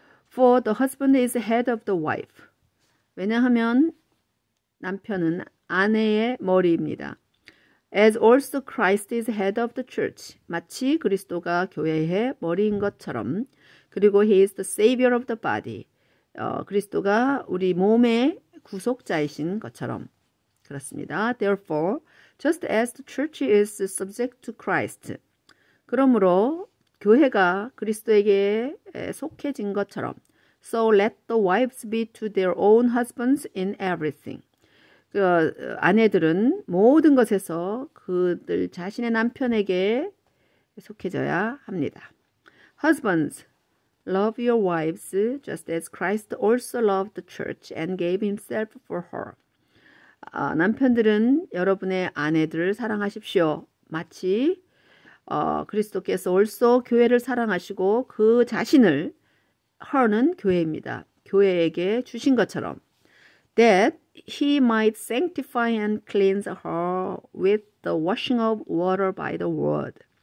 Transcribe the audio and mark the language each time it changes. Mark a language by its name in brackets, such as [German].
[English] For the husband is head of the wife. [Korean] 왜냐하면 남편은 아내의 머리입니다. [English] As also Christ is head of the church. [Korean] 마치 그리스도가 교회의 머리인 것처럼. 그리고 [English] he is the savior of the body. [Korean] 그리스도가 우리 몸의 구속자이신 것처럼. 그렇습니다. [English] Therefore, just as the church is subject to Christ. [Korean] 그러므로 교회가 그리스도에게 속해진 것처럼. [English] So let the wives be to their own husbands in everything. [Korean] 아내들은 모든 것에서 그들 자신의 남편에게 속해져야 합니다. [English] Husbands, love your wives just as Christ also loved the church and gave himself for her. [Korean] 남편들은 여러분의 아내들을 사랑하십시오. 마치 그리스도께서 올소 교회를 사랑하시고 그 자신을 her는 교회입니다. 교회에게 주신 것처럼 [English] that he might sanctify and cleanse her with the washing of water by the word.